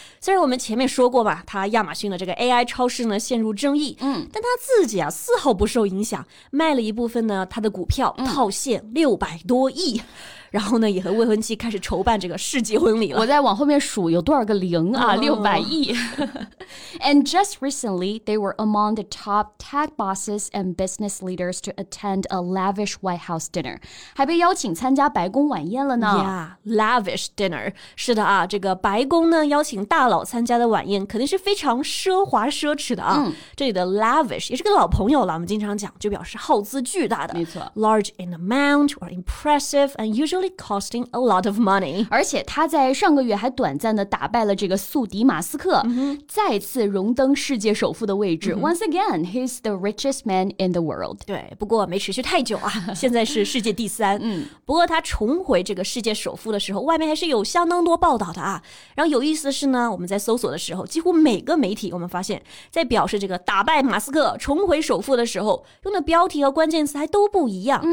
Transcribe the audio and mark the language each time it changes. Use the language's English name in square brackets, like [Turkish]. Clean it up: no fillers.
[Chinese] 虽然我们前面说过嘛，他亚马逊的这个 AI 超市呢陷入争议，但他自己啊丝毫不受影响，卖了一部分呢他的股票套现600多亿，然后呢也和未婚妻开始筹办这个世纪婚礼了。我再往后面数有多少个零啊，600亿。 [English] And just recently, they were among the top tech bosses and business leaders to attend a lavish White House dinner. [Chinese] 还被邀请参加白宫晚宴了呢。 [English] Yeah, lavish dinner. [Chinese] 是的啊，这个白宫呢邀请大佬参加的晚宴肯定是非常奢华奢侈的啊。嗯、这里的 lavish 也是个老朋友了，我们经常讲就表示耗资巨大的。没错。 [English] Large in amount or impressive and usually costing a lot of money. [Chinese] 而且他在上个月还短暂的打败了这个宿敌马斯克、 mm-hmm. 再次荣登世界首富的位置、mm-hmm. [English] Once again, he's the richest man in the world. [Chinese] 对，不过没持续太久啊，现在是世界第三。嗯，不过他重回这个世界首富的时候，外面还是有相当多报道的啊。然后有意思的是呢，我们在搜索的时候，几乎每个媒体我们发现在表示这个打败马斯克重回首富的时候，用的标题和关键词还都不一样。